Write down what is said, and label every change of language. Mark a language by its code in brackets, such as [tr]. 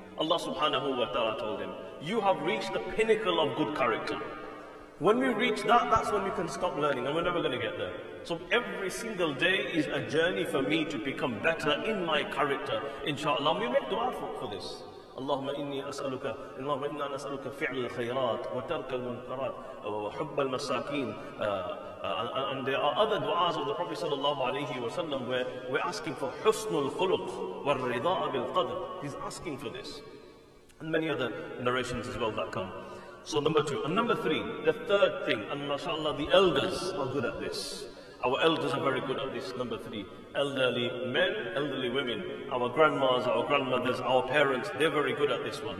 [en] Allah subhanahu wa ta'ala told him, you have reached the pinnacle of good character. When we reach that, that's when we can stop learning. And we're never going to get there. So every single day is a journey for me to become better in my character. Inshallah, we make dua for this. [ar] اللهم إني أسألك اللهم إنا نسألك فعل الخيرات وترك المنكرات وحب المساكين [en] and there are other du'as of the Prophet sallallahu alaihi wasallam where we're asking for [ar] حسن الخلق والرضاء بالقدر. [en] He's asking for this, and many other narrations as well that come. So number two and number three, the third thing, and mashallah, the elders are good at this. Our elders are very good at this. Number three, elderly men, elderly women, our grandmas, our grandmothers, our parents, they're very good at this one.